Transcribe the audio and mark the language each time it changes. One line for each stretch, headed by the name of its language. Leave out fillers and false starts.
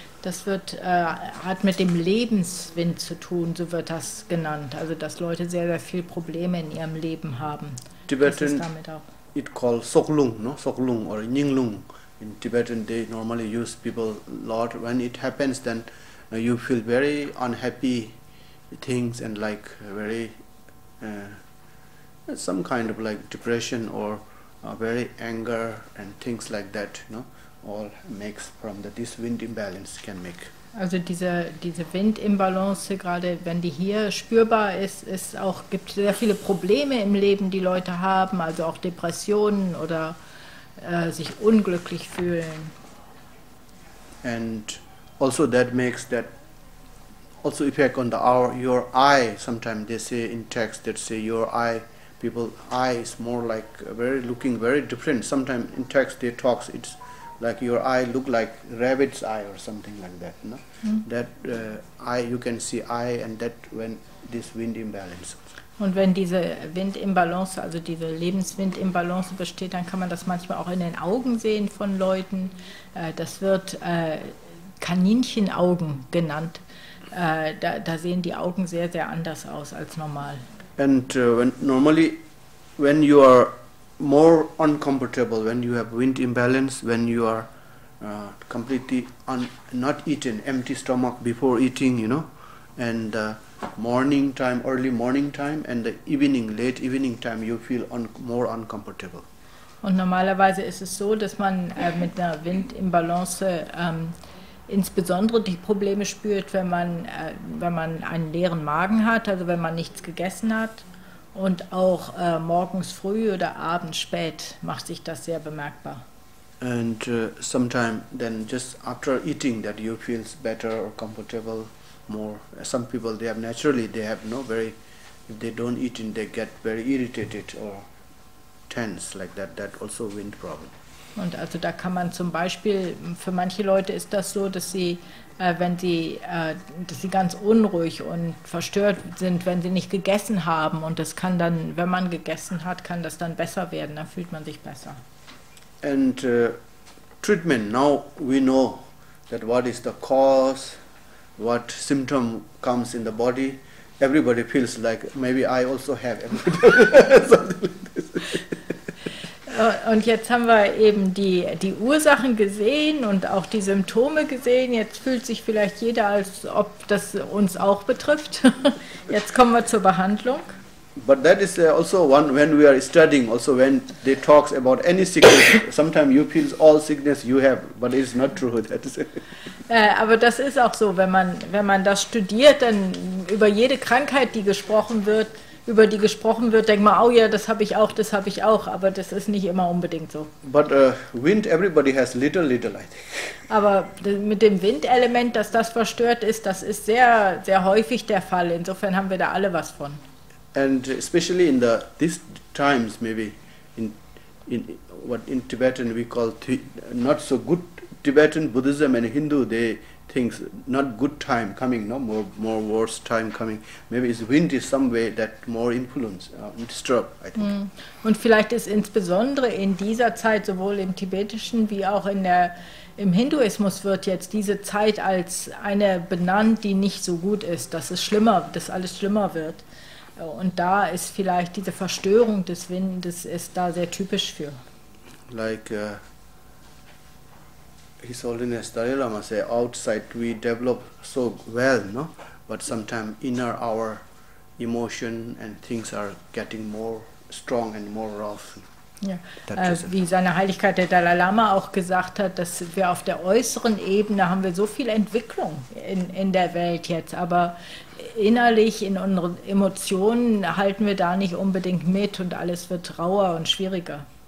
German: Das wird, hat mit dem Lebenswind zu tun, so wird das genannt. Also dass Leute sehr, sehr viel Probleme in ihrem Leben haben.
English: Tibetan,
German: damit auch.
English: It called Soklung, no? Soklung or Nyinglung. In Tibetan, they normally use people a lot. When it happens, then you feel very unhappy things and like very, some kind of like depression or very anger and things like that, you know, all makes from the, this wind imbalance can make.
German: Also diese Windimbalance, gerade wenn die hier spürbar ist, ist auch, gibt sehr viele Probleme im Leben, die Leute haben, also auch Depressionen oder sich unglücklich fühlen.
English: And also that makes that also effect on the our your eye. Sometimes they say in text that say your eye, people eye is more like very looking very different. Sometimes in text they talks it's like your eye look like rabbit's eye or something like that. No, that eye you can see eye and that when this wind imbalance.
German: Und wenn diese Windimbalance, also diese Lebenswindimbalance besteht, dann kann man das manchmal auch in den Augen sehen von Leuten. Das wird Kaninchenaugen genannt. Da sehen die Augen sehr, sehr anders aus als normal.
English: And when normally, when you are more uncomfortable, when you have wind imbalance, when you are completely not eaten, empty stomach before eating, you know, and morning time, early morning time, and the evening, late evening time, you feel more uncomfortable.
German: Und normalerweise ist es so, dass man mit einer Windimbalance insbesondere die Probleme spürt, wenn man wenn man einen leeren Magen hat, also wenn man nichts gegessen hat, und auch morgens früh oder abends spät macht sich das sehr bemerkbar.
English: And sometimes then just after eating that you feel better or comfortable. More some people they have naturally they have no very if they don't eat and they get very irritated or tense like that, that also wind problem.
German: Und also da kann man zum Beispiel, für manche Leute ist das so, dass sie wenn sie dass sie ganz unruhig und verstört sind, wenn sie nicht gegessen haben, und das kann dann, wenn man gegessen hat, kann das dann besser werden, dann fühlt man sich besser.
English: And treatment, now we know that what is the cause, what symptom comes in the body, everybody feels like maybe I also have something like this.
German: Und jetzt haben wir eben die Ursachen gesehen und auch die Symptome gesehen. Jetzt fühlt sich vielleicht jeder, als ob das uns auch betrifft. Jetzt kommen wir zur Behandlung.
English: But that is also one when we are studying, also when they talk about any sickness, sometimes you feel all sickness you have, but it's not true. That is
German: aber das ist auch so, wenn man das studiert, dann über jede Krankheit, die gesprochen wird, über die gesprochen wird, denkt man, oh ja, das habe ich auch, das habe ich auch, aber das ist nicht immer unbedingt so.
English: But wind, everybody has little, I think.
German: Aber mit dem Windelement, dass das verstört ist, das ist sehr, sehr häufig der Fall. Insofern haben wir da alle was von.
English: And especially in the these times, maybe in what in Tibetan we call not so good Tibetan Buddhism and Hindu, they think not good time coming, no more worse time coming. Maybe it's wind is some way that more influence and disturb, I think.
German: Und vielleicht ist insbesondere in dieser Zeit, sowohl im Tibetischen wie auch im Hinduismus, wird jetzt diese Zeit als eine benannt, die nicht so gut ist, dass es schlimmer, dass alles schlimmer wird. Und da ist vielleicht diese Verstörung des Windes ist da sehr typisch für.
English: Like His Holiness Dalai Lama say, outside we develop so well, no, but sometimes inner our emotion and things are getting more strong and more rough.
German: Ja, wie seine Heiligkeit der Dalai Lama auch gesagt hat, dass wir auf der äußeren Ebene haben wir so viel Entwicklung in der Welt jetzt, aber innerlich in unseren Emotionen halten wir da nicht unbedingt mit und alles wird rauer und schwieriger.